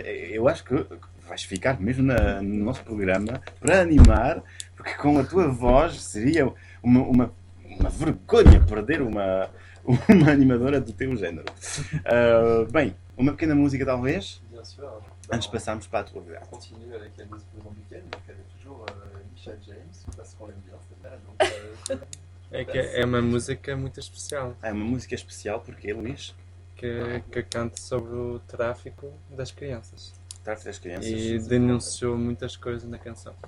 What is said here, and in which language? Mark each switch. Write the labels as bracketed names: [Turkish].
[Portuguese] Eu acho que vais ficar mesmo no nosso programa para animar, porque com a tua voz seria uma vergonha perder uma animadora do teu género. Bem, uma pequena música talvez. [French] Sûr, [Portuguese] antes de passarmos para a tour, [French] on continue avec la musique de Zambican, donc avec toujours Michel James, parce qu'on l'aime bien, c'est bien. [Portuguese] É que é uma música muito especial. É uma música especial, porquê, Luís? Que canta sobre o tráfico das crianças. O tráfico das crianças. E denunciou muitas coisas na canção.